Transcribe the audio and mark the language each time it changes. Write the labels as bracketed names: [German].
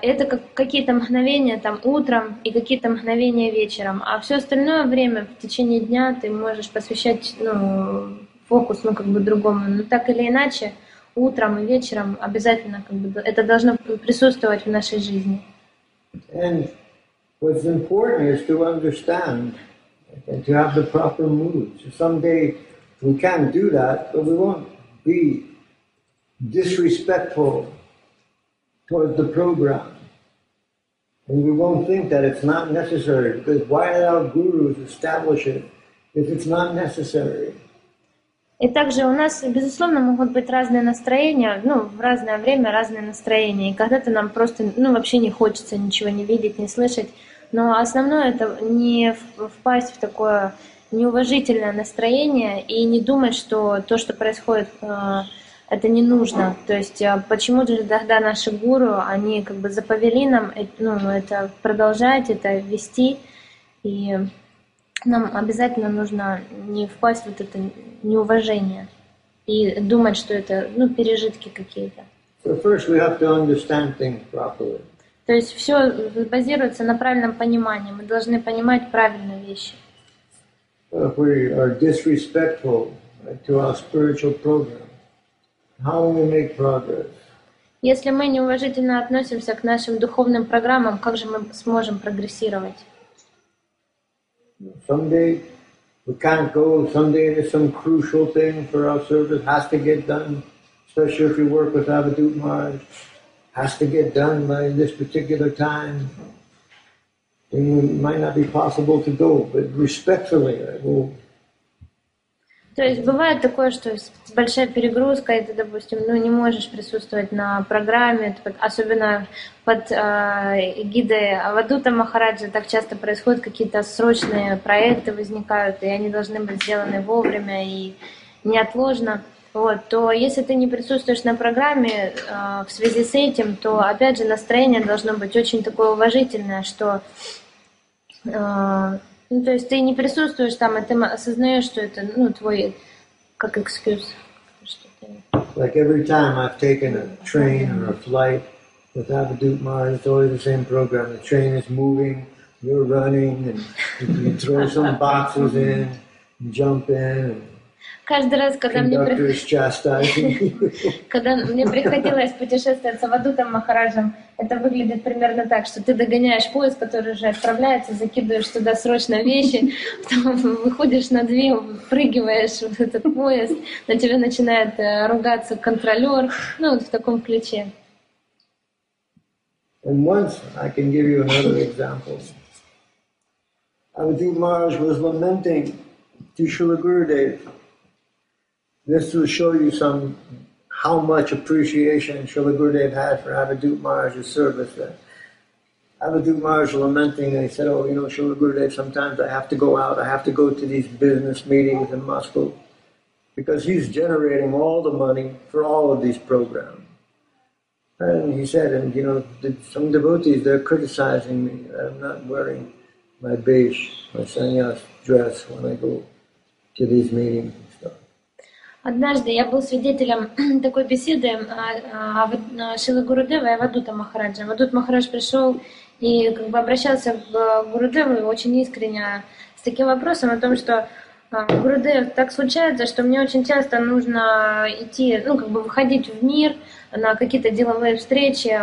[Russian] Это как какие-то мгновения там утром и какие-то мгновения вечером. А все остальное время в течение дня ты можешь посвящать, ну, фокус, ну, как бы другому. Но так или иначе, утром и вечером обязательно как бы это должно присутствовать в нашей жизни. [English] And what's important is to understand and to have the proper mood. So someday we can do that, but we won't be disrespectful toward the program. And we won't think that it's not necessary, because why did our gurus establish it if it's not necessary? [Russian] И также у нас, безусловно, могут быть разные настроения, ну, в разное время разные настроения. И когда-то нам просто, ну, вообще не хочется ничего не видеть, не слышать. Но основное — это не впасть в такое неуважительное настроение и не думать, что то, что происходит это не нужно. То есть почему же тогда наши гуру, они как бы заповели нам ну, это продолжать, это вести, и нам обязательно нужно не впасть в вот это неуважение и думать, что это, ну, пережитки какие-то. [English] So first we have to understand things properly. [Russian] То есть все базируется на правильном понимании. Мы должны понимать правильные вещи. [English] If we are disrespectful to our spiritual program, how will we make progress? [Russian] Если мы неуважительно относимся к нашим духовным программам, как же мы сможем прогрессировать? [English] Someday we can't go. Someday there's some crucial thing for our service has to get done. Especially if you work with Avadhut Maharaj, has to get done by this particular time. And it might not be possible to go, but respectfully, I will. [Russian] То есть бывает такое, что большая перегрузка, и ты, допустим, ну, не можешь присутствовать на программе, особенно под эгидой Авадута Махараджа, так часто происходят какие-то срочные проекты возникают, и они должны быть сделаны вовремя и неотложно. Вот, то если ты не присутствуешь на программе в связи с этим, то опять же настроение должно быть очень такое уважительное, что ну, то есть ты не присутствуешь там, и ты осознаешь, что это, ну, твой, как excuse, [English] Like every time I've taken a train or a flight with Avadhut Maharaj, it's always the same program. The train is moving, you're running, and you throw some boxes in, jump in, [Russian] Каждый раз, [English] and conductor is chastising [Russian] когда мне приходилось путешествовать с Авадутом Махараджем, это выглядит примерно так, что ты догоняешь поезд, который уже отправляется, закидываешь туда срочно вещи, потом выходишь на две, прыгиваешь в этот поезд, на тебя начинает ругаться контролер, ну вот в таком ключе. [English] And once I can give you another example. Avadhut Maharaj was lamenting to Srila Gurudev. This will show you some how much appreciation Srila Gurudev had for Avadhut Maharaj's service. That Avadhut Maharaj lamenting, and he said, "Oh, you know, Srila Gurudev, sometimes I have to go out. I have to go to these business meetings in Moscow because he's generating all the money for all of these programs." And he said, and you know, some devotees, they're criticizing me that I'm not wearing my beige, my sannyas dress when I go to these meetings and stuff. [Russian] Однажды я был свидетелем такой беседы Шилы Гурудева и Авадута Махараджа. Авадут Махарадж пришел и как бы обращался к Гурудеву очень искренне с таким вопросом о том, что Гурудев, так случается, что мне очень часто нужно идти, ну, как бы выходить в мир на какие-то деловые встречи.